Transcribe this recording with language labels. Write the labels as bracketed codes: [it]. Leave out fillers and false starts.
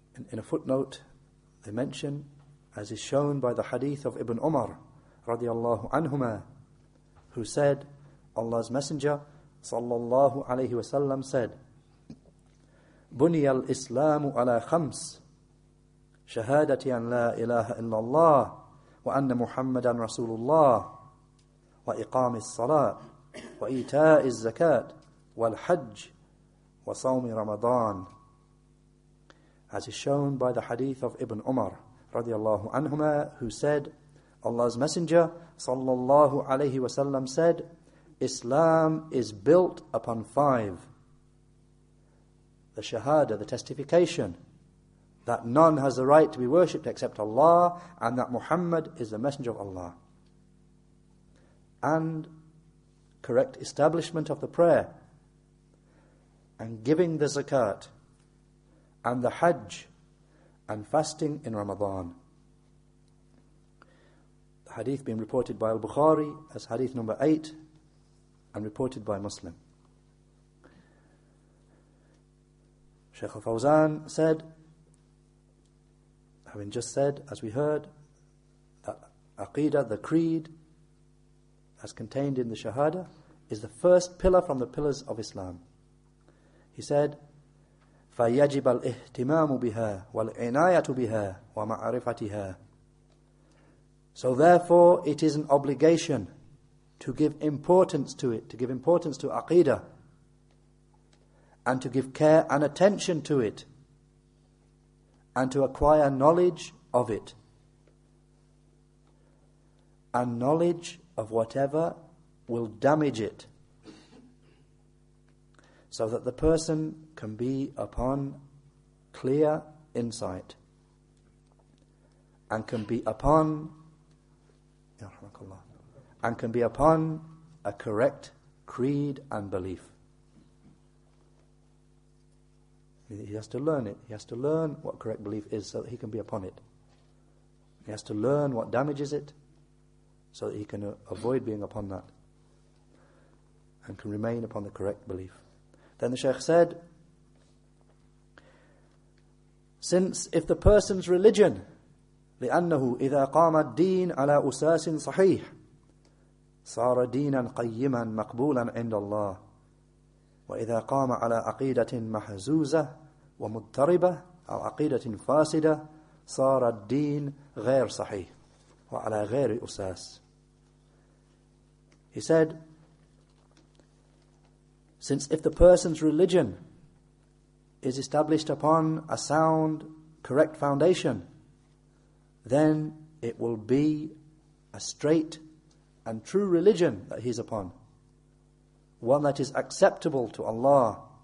[en] In a footnote, they mention, as is shown by the hadith of Ibn Umar, radiallahu anhuma, who said, Allah's Messenger, sallallahu alayhi wa sallam, said, [ar] Bunya al-Islamu ala khams. شهادتي أن لا إله إلا الله وأن محمدا رسول الله وإقام الصلاة وإيتاء الزكاة والحج وصوم رمضان. [en] As is shown by the hadith of Ibn Umar رضي الله عنهما, who said, Allah's Messenger صلى الله عليه وسلم said, Islam is built upon five: the shahada, the testification that none has the right to be worshipped except Allah, and that Muhammad is the messenger of Allah, and correct establishment of the prayer, and giving the zakat, and the hajj, and fasting in Ramadan. The hadith being reported by al-Bukhari as hadith number 8, and reported by Muslim. Sheikh al-Fawzan said, having just said, as we heard, that aqidah, the creed, as contained in the shahada, is the first pillar from the pillars of Islam. He said, [ar] فَيَجِبَ الْإِهْتِمَامُ بِهَا وَالْعِنَايَةُ بِهَا وَمَعْرِفَتِهَا. [en] So therefore, it is an obligation to give importance to it, to give importance to aqidah, and to give care and attention to it, and to acquire knowledge of it, and knowledge of whatever will damage it, so that the person can be upon clear insight, and can be upon, ya rahmakallah, and can be upon a correct creed and belief. He has to learn it. He has to learn what correct belief is so that he can be upon it. He has to learn what damages it so that he can avoid being upon that and can remain upon the correct belief. Then the Shaykh said, since if the person's religion, [ar] لأنه إذا قام الدين على أساس صحيح صار دينا قيما مقبولا عند الله وإذا قام على عقيدة محزوزة ومضطربة أو عقيدة فاسدة صار الدين غير صحيح وعلى غير أساس. [en] He said, since if the person's religion is established upon a sound, correct foundation, then it will be a straight and true religion that he's upon, one that is acceptable to Allah.